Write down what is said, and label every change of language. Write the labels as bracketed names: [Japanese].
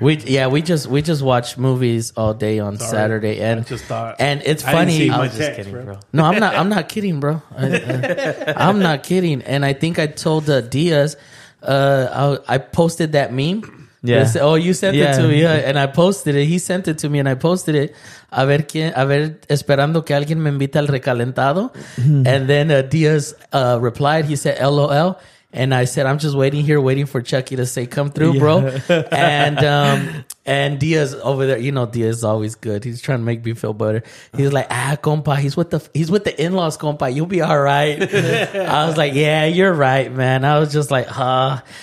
[English] We just watched movies all day on Saturday and I just thought, and it's funny. I'm just text, kidding, bro. No, I'm not kidding, bro. I'm not kidding. And I think I told Diaz, I posted that meme. Yeah. Oh, you sent it to me. Yeah. And I posted it. He sent it to me and I posted it. [Spanish] A ver, esperando que alguien me invite al recalentado. [English] And then Diaz replied. He said, LOL. And I said, I'm just waiting here, waiting for Chucky to say, come through, bro. And Diaz over there, you know, Diaz is always good. He's trying to make me feel better. He's like, compa, he's with the in-laws, compa. You'll be all right. I was like, yeah, you're right, man. I was just like, huh.